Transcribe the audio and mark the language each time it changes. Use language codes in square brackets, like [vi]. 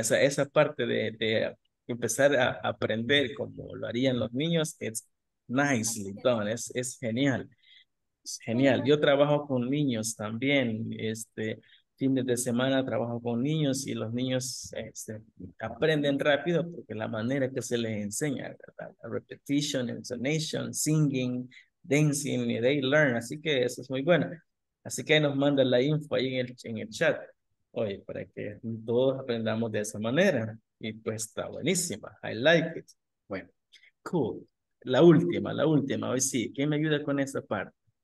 [es] Esa parte de empezar a aprender como lo harían los niños, es [en] nicely done, [es] es genial. Es genial. Yo trabajo con niños también. Fines de semana trabajo con niños y los niños aprenden rápido porque la manera que se les enseña, ¿verdad? [en] La repetition, intonation, singing, dancing, y they learn. [es] Así que eso es muy bueno. Así que nos mandan la info ahí en el chat, oye, para que todos aprendamos de esa manera. Y pues está buenísima. [en] I like it. [es] Bueno, cool. La última. Hoy sí. ¿Quién me ayuda con esa parte?